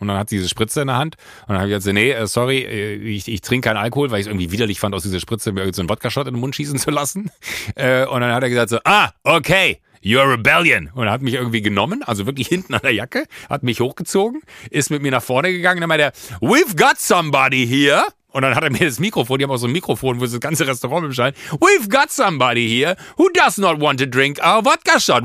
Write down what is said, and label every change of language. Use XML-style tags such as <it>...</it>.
<de>Und dann hat sie diese Spritze in der Hand. Und dann habe ich gesagt so, nee, sorry, ich trinke keinen Alkohol, weil ich es irgendwie widerlich fand, aus dieser Spritze mir so einen vodka shot in den Mund schießen zu lassen. Und dann hat er gesagt so, ah, okay,</de> <en>you're a rebellion.</en> <de>Und er hat mich irgendwie genommen, also wirklich hinten an der Jacke, hat mich hochgezogen, ist mit mir nach vorne gegangen. Dann meinte er,</de> <en>we've got somebody here.</en> <de>Und dann hat er mir das Mikrofon, die haben auch so ein Mikrofon, wo sie das ganze Restaurant bescheiden.</de> <en>We've got somebody here who does not want to drink our vodka shot.</en>